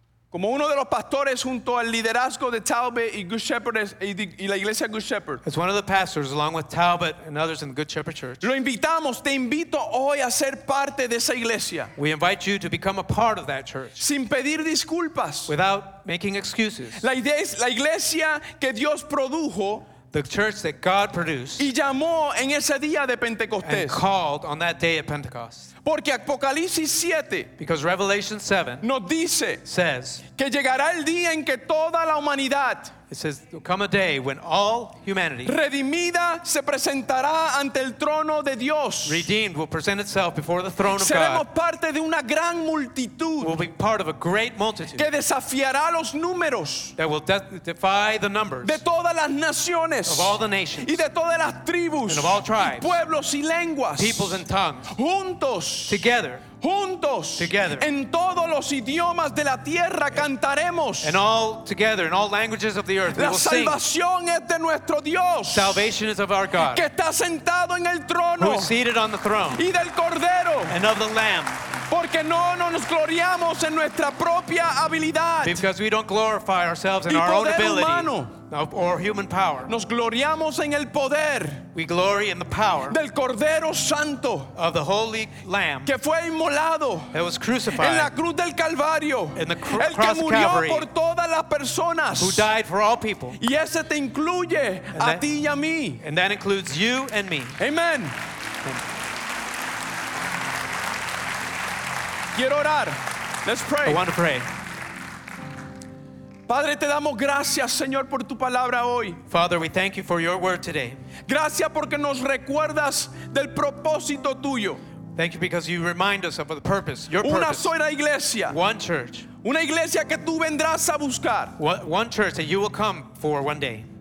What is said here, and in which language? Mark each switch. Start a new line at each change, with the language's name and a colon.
Spanish: Como uno de los pastores junto al liderazgo de Talbot y Good Shepherd y la iglesia Good Shepherd.
English: As one of the pastors along with Talbot and others in the Good Shepherd Church.
Spanish: Lo invitamos, te invito hoy a ser parte de esa iglesia.
English: We invite you to become a part of that church.
Spanish: Sin pedir disculpas.
English: Without making excuses.
Spanish: La idea es la iglesia que Dios produjo.
English: The church that God produced.
Spanish: Y llamó en ese día de Pentecostés.
English: And called on that day of Pentecost.
Spanish: Porque Apocalipsis 7,
English: because Revelation 7
Spanish: nos dice,
English: says
Spanish: que llegará el día en que toda la humanidad,
English: it says there will come a day when all humanity
Spanish: redimida se presentará ante el trono de Dios.
English: Redeemed will present itself before the throne of
Spanish: seremos
English: God.
Spanish: Seremos parte de una gran multitud,
English: will be part of a great multitude,
Spanish: que desafiará los números,
English: that will defy the numbers,
Spanish: de todas las naciones,
English: of all the nations,
Spanish: y de todas las tribus,
English: and of all tribes,
Spanish: y pueblos y lenguas,
English: peoples and tongues,
Spanish: juntos,
English: together,
Spanish: juntos,
English: together,
Spanish: en todos los idiomas de la tierra cantaremos.
English: And all together, in all languages of the earth,
Spanish: la salvación
English: sing.
Spanish: Es de nuestro Dios.
English: Salvation is of our God.
Spanish: Que está sentado en el trono.
English: Who is seated on the throne.
Spanish: Y del Cordero.
English: And of the Lamb.
Spanish: Porque no nos gloriamos en nuestra propia habilidad.
English: Because we don't glorify ourselves in
Spanish: y
English: our own ability.
Spanish: Humano.
English: Or human power.
Spanish: Nos gloriamos en el poder.
English: We glory in the power
Spanish: del Cordero Santo.
English: Of the Holy Lamb.
Spanish: Que fue inmolado.
English: That was crucified.
Spanish: En la cruz del Calvario.
English: In the
Spanish: el
English: cross
Spanish: que murió
English: of Calvary.
Spanish: Por todas las personas.
English: Who died for all people.
Spanish: Y ese te incluye and a ti y a mí.
English: And that includes you and me. Amen.
Spanish: Quiero orar.
English: Let's pray. I want to pray.
Spanish: Padre, te damos gracias, Señor, por tu palabra hoy.
English: Father, we thank you for your word today.
Spanish: Gracias porque nos recuerdas del propósito tuyo.
English: Thank you because you remind us of the purpose, your purpose.
Spanish: Una sola iglesia.
English: One church.
Spanish: Una iglesia que tú vendrás a buscar.
English: One church that you will come for one day.